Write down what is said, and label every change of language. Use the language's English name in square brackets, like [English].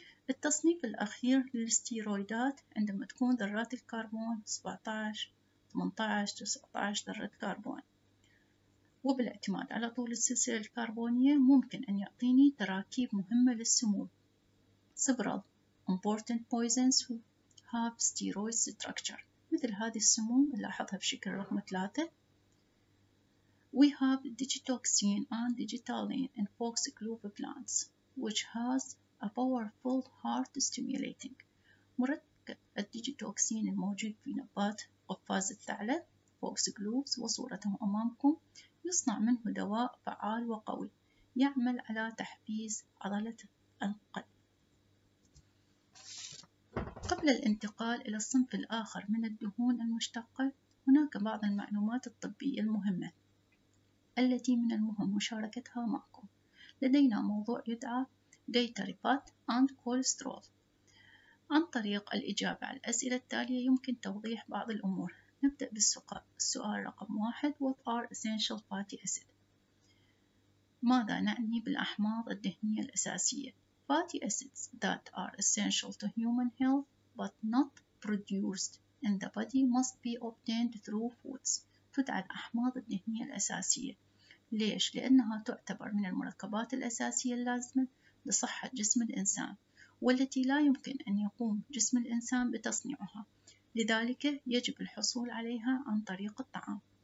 [Arabic] التصنيف الأخير للستيرويدات عندما تكون ذرات الكربون 17، 18، 19 ذرة كربون، وبالاعتماد على طول السلسلة الكربونية ممكن أن يعطيني تراكيب مهمة للسموم. [English] Several important poisons have steroid structure. [Arabic] مثل هذه السموم نلاحظها بشكل رقم 3. [English] We have digitoxin and digitalin in fox glove plants, which has a powerful heart stimulating. [Arabic] مركب الديجيتوكسين الموجود في نبات قفاز الثعلب فوكس جلوفز وصورته أمامكم يصنع منه دواء فعال وقوي يعمل على تحفيز عضلة القلب. قبل الانتقال إلى الصنف الآخر من الدهون المشتقة، هناك بعض المعلومات الطبية المهمة التي من المهم مشاركتها معكم. لدينا موضوع يدعى [English] Dietary Fat and Cholesterol. [Arabic] عن طريق الإجابة على الأسئلة التالية يمكن توضيح بعض الأمور. نبدأ بالسؤال. السؤال رقم 1: [English] What are essential fatty acids؟ [Arabic] ماذا نعني بالأحماض الدهنية الأساسية؟ [English] Fatty acids that are essential to human health but not produced in the body must be obtained through foods. [Arabic] تدعى الأحماض الدهنية الأساسية. ليش؟ لأنها تعتبر من المركبات الأساسية اللازمة لصحة جسم الإنسان، والتي لا يمكن أن يقوم جسم الإنسان بتصنيعها، لذلك يجب الحصول عليها عن طريق الطعام.